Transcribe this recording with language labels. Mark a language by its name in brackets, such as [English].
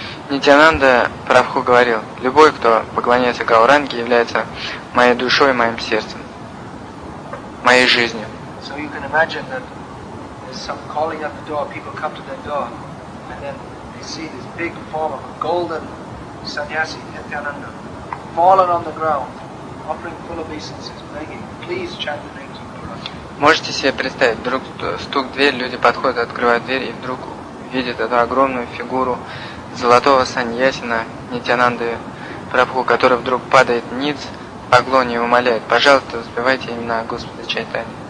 [Russian] Нитьянанда Прабху говорил, любой, кто поклоняется Гауранге, является моей душой, моим сердцем, моей жизнью. [English] So you can imagine that there's some calling at the door, people come to their door, and then they see this big form of a golden sannyasi, Nityananda, fallen on the ground, offering full obeisances, begging, please chant the name. [Russian] Можете себе представить, вдруг стук в дверь, люди подходят, открывают дверь, и вдруг видят эту огромную фигуру золотого саньясина Нитьянанды Прабху, который вдруг падает ниц, поклоняется и умоляет, пожалуйста, воспевайте имена Господа Чайтани.